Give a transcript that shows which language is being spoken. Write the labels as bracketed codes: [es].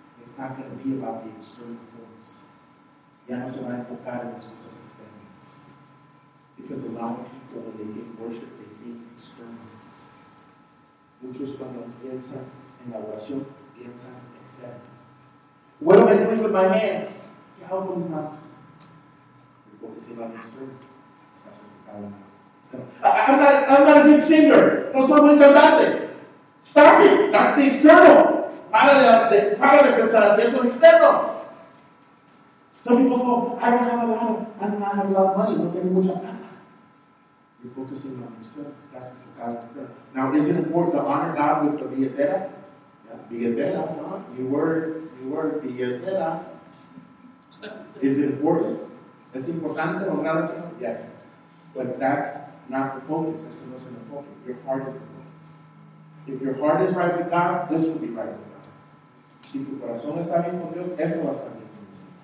[en] It's not going to be about the external forms. [es] Ya no se va a enfocar en las cosas externas. [en] Because a lot of people, when they think worship, they think external. [es] Muchos cuando piensan en la oración, piensan externo. [en] What am I doing with my hands? [es] ¿Qué hago con mis manos? Porque si va a destruir, estás enfocado en la [en] I'm not a good singer. [es] No soy muy cantante. [en] Stop it. That's the external. [es] Para de pensar así. Eso es externo. [en] Some people go, I don't have a lot of money. [es] No tengo mucha plata. [en] You're focusing on yourself. That's the external. Now, is it important to honor God with the billetera? Yeah, billetera. Huh? You were billetera. Is it important? [es] ¿Es importante honrar a Dios? [en] Yes. But that's not the focus. That's not the focus. Your heart is the focus. If your heart is right with God, this will be right with God. [es] Si tu corazón está bien con Dios, esto va a estar bien con Dios.